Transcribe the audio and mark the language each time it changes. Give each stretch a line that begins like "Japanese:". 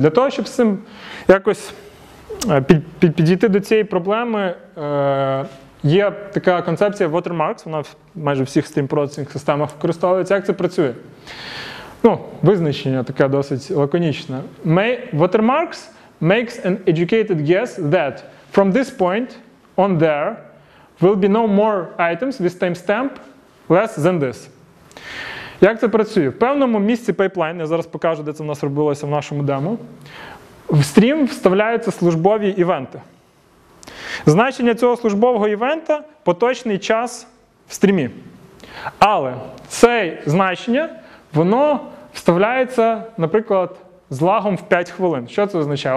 Ukrainian: Для того, щоб з цим якось підійти до цієї проблеми, є така концепція Watermarks, вона в майже всіх стрім-процесінг системах використовується. Як це працює? Ну, визначення таке досить лаконічне.
English: Watermarks makes an educated guess that from this point on there will be no more items with timestamp less than this.
Ukrainian: Як це працює? В певному місці пайплайн, я зараз покажу, де це в нас робилося в нашому демо, в стрім вставляються службові івенти. Значення цього службового івента – поточний час в стрімі. Але це значення, воно вставляється, наприклад, з лагом в 5 хвилин. Що це означає?